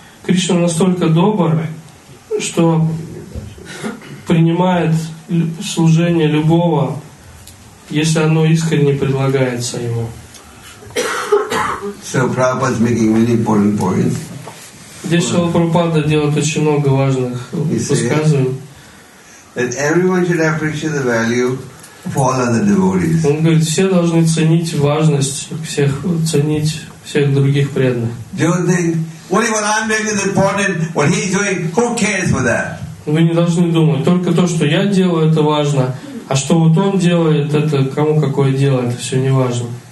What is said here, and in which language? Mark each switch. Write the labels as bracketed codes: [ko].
[ru] Кришна настолько добр, что принимает служение любого, если оно искренне предлагается ему. [en] So Prabhupada is making many important points. [ru] Здесь Шрила Прабхупада делает очень много важных высказываний. [en] That everyone should appreciate the value of all other devotees. [ru] Он говорит, все должны ценить важность всех, ценить всех других преданных. [en] What if what I'm doing is important, what he's doing, who cares for that? [ru] Вы не должны думать, только то, что я делаю, это важно, а что вот он делает, это кому какое дело, это все не важно.